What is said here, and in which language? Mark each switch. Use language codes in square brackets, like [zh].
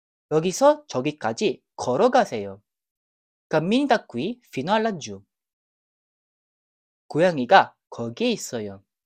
[ko] 여기서 저기까지 걸어가세요. [it] Cammini da qui fino a laggiù. [ko] 고양이가 거기에 있어요.